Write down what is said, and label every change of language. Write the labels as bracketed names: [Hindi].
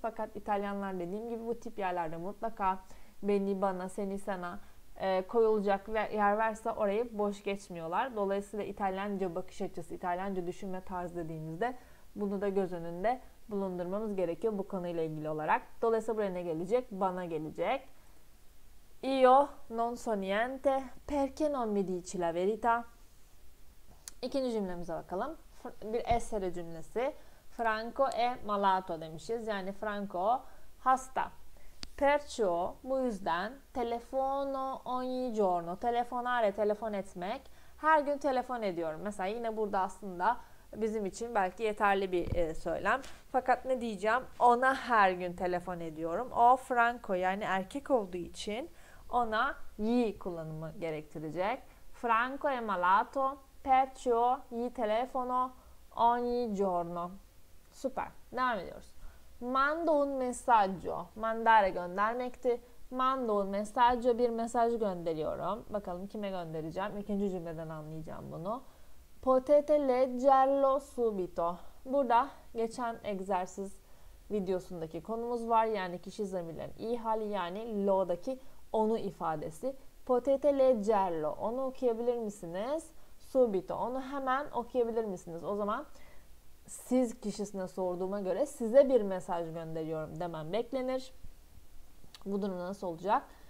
[Turkish] Fakat İtalyanlar dediğim gibi bu tip yerlerde mutlaka beni, bana, seni, sana koyulacak yer varsa orayı boş geçmiyorlar. Dolayısıyla İtalyanca bakış açısı, İtalyanca düşünme tarzı dediğimizde bunu da göz önünde bulundurmamız gerekiyor bu konuyla ilgili olarak. Dolayısıyla buraya ne gelecek? Bana gelecek. [Italian] Io non so niente, perché non mi dici la verità? [Turkish] İkinci cümlemize bakalım. Bir essere cümlesi. [Italian] Franco è malato [Turkish] demişiz. Yani Franco hasta. [Italian] Perciò, [Turkish] bu yüzden, [Italian] telefono ogni giorno. [Turkish] Telefonare, telefon etmek. Her gün telefon ediyorum. Mesela yine burada aslında bizim için belki yeterli bir söylem. Fakat ne diyeceğim? Ona her gün telefon ediyorum. O Franco, yani erkek olduğu için ona gli kullanımı gerektirecek. [Italian] Franco è malato, perciò gli telefono ogni giorno. [Turkish] Süper. Devam ediyoruz. [Italian] Mando un messaggio. [Turkish] Mandare göndermekti. [Italian] Mando un messaggio, [Turkish] bir mesaj gönderiyorum. Bakalım kime göndereceğim? İkinci cümleden anlayacağım bunu. [Italian] Potete leggerlo subito. [Turkish] Burada geçen egzersiz videosundaki konumuz var. Yani kişi zamirlerin i hali, yani lo'daki onu ifadesi. [Italian] Potete leggerlo. [Turkish] Onu okuyabilir misiniz? [Italian] Subito. [Turkish] Onu hemen okuyabilir misiniz? O zaman siz kişisine sorduğuma göre size bir mesaj gönderiyorum demem beklenir. Bu durumda nasıl olacak?